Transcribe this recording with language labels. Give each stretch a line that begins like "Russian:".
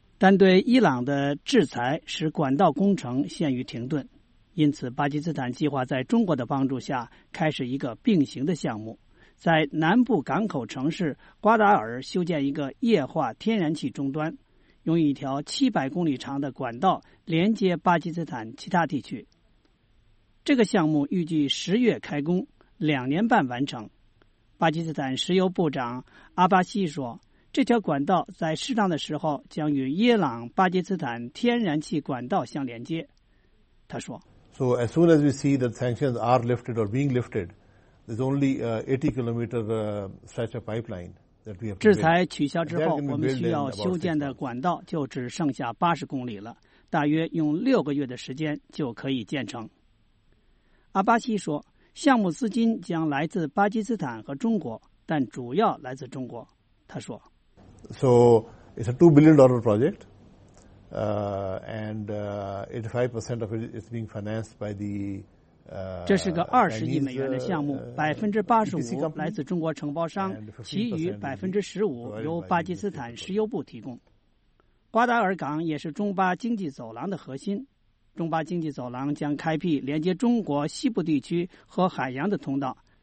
Chinese: 但对伊朗的制裁使管道工程陷于停顿，因此巴基斯坦计划在中国的帮助下开始一个并行的项目，在南部港口城市瓜达尔修建一个液化天然气终端，用一条700公里长的管道连接巴基斯坦其他地区。这个项目预计10月开工，2年半完成。巴基斯坦石油部长阿巴西说，这条管道在适当的时候将与伊朗巴基斯坦天然气管道相连接。他说
English: So as soon as we see that sanctions are lifted or being lifted, there's only an 80-kilometer stretch of pipeline that we have to build.
Chinese: 制裁取消之后，我们需要修建的管道就只剩下80公里了，大约用6个月的时间就可以建成。阿巴西说，项目资金将来自巴基斯坦和中国，但主要来自中国。他说
English: So it's a $2 billion project, and 85% of it is being financed by the.
Chinese: 这是个20亿美元的项目，85%来自中国承包商，其余15%由巴基斯坦石油部提供。瓜达尔港也是中巴经济走廊的核心，中巴经济走廊将开辟连接中国西部地区和海洋的通道。